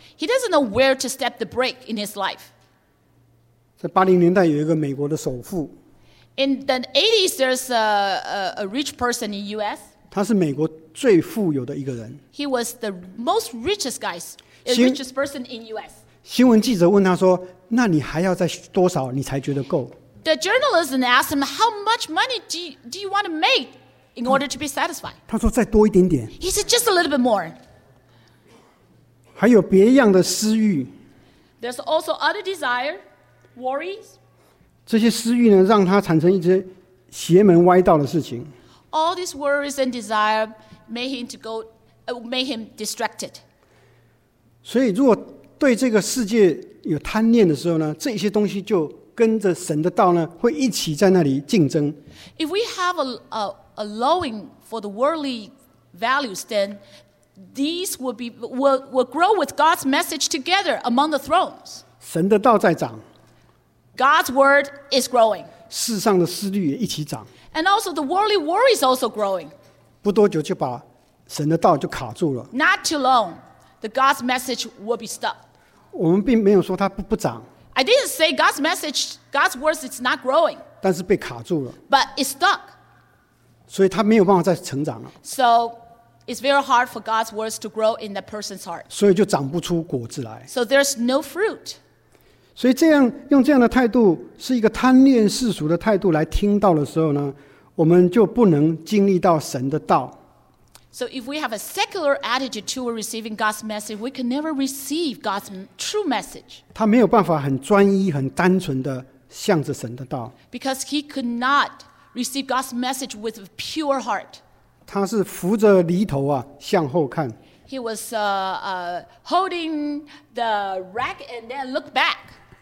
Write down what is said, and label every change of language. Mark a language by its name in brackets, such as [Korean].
[English] He doesn't know where to step the brake in his life. [Chinese] 在80年代有一个美国的首富。 [English] In the 80s, there's a rich person in U.S. [Chinese] 他是美国最富有的一个人。 [English] He was the most richest guy, the richest person in U.S. [Chinese] 新闻记者问他说：“那你还要再多少你才觉得够 [English] ？”The journalist asked him, "How much money do you want to make in order to be satisfied. [Chinese] 他说再多一点点。 [English] He said just a little bit more. [Chinese] 还有别样的私欲。 [English] There's also other desire, worries. [Chinese] 这些私欲呢, 让他产生一些邪门歪道的事情。 [English] All these worries and desire made him to go, made him distracted. [Chinese] 所以如果对这个世界有贪念的时候呢, 这些东西就 跟着神的道呢，会一起在那里竞争。 [English] If we have a longing for the worldly values, then these will be will grow with God's message together among the thrones. [Chinese] 神的道在长。 [English] God's word is growing. [Chinese] 世上的思虑也一起长。 [English] And also the worldly worries also growing. [Chinese] 不多久就把神的道就卡住了。 [English] Not too long, the God's message will be stuck. [Chinese] 我们并没有说它不长。 [English] I didn't say God's message, God's words is not growing. [Chinese] 但是被卡住了, [English] but it's stuck. [Chinese] 所以他没有办法再成长了, [English] so it's very hard for God's words to grow in that person's heart. [Chinese] 所以就长不出果子来, [English] so there's no fruit. [Chinese] 所以这样用这样的态度, 是一个贪恋世俗的态度来听到的时候呢, 我们就不能经历到神的道。 [English] So if we have a secular attitude to receiving God's message, we can never receive God's true message. [Chinese] 他没有办法很专一、很单纯地向着神的道。 [English] Because he could not receive God's message with a pure heart. [Chinese] 他是扶着犁头啊，向后看。 [English] He was holding the rack and then look back.